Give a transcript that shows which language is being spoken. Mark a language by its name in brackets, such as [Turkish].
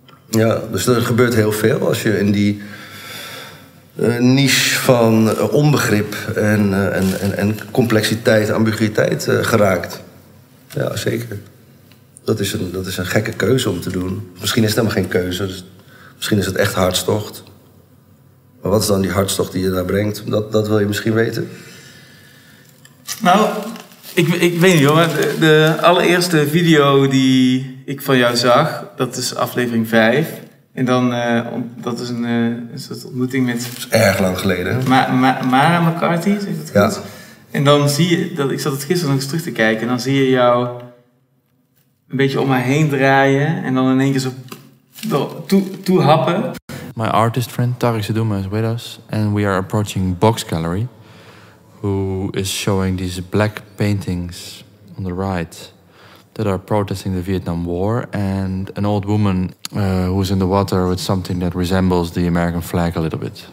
[Dutch] Ja, dus er gebeurt heel veel als je in die niche van onbegrip en complexiteit, ambiguïteit geraakt. Ja, zeker. Dat is een gekke keuze om te doen. Misschien is het helemaal geen keuze. Dus misschien is het echt hartstocht. Maar wat is dan die hartstocht die je daar brengt? Dat wil je misschien weten. Nou, ik weet niet, jongen. De allereerste video die ik van jou zag, dat is aflevering 5. En dan, dat is een soort ontmoeting met... Dat is erg lang geleden. Mara McCarthy, zeg dat goed? Ja. En dan zie je, ik zat het gisteren nog eens terug te kijken. En dan zie je jou een beetje om haar heen draaien. En dan in één keer zo toe happen. [English] My artist friend Tariq Seduma is with us. And we are approaching Box Gallery. Who is showing these black paintings on the right. That are protesting the Vietnam War, and an old woman who's in the water with something that resembles the American flag a little bit.